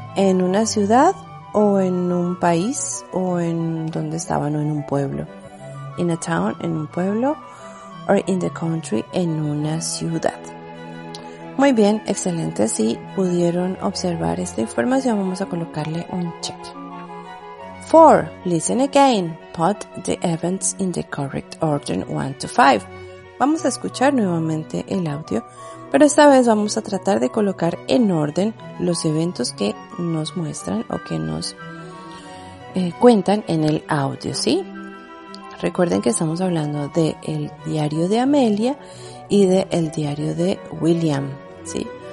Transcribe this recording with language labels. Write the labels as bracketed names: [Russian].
[Spanish] ¿En una ciudad o en un país o en donde estaban o en un pueblo? [English] ¿In a town, [Spanish] en un pueblo? [English] ¿Or in the country, [Spanish] en una ciudad? Muy bien, excelente. Si pudieron observar esta información, vamos a colocarle un check. 4. [English] Listen again. Put the events in the correct order 1 to 5. [Spanish] vamos a escuchar nuevamente el audio, pero esta vez vamos a tratar de colocar en orden los eventos que nos muestran o que nos cuentan en el audio, ¿sí? Recuerden que estamos hablando del diario de Amelia y del diario de William, ¿sí?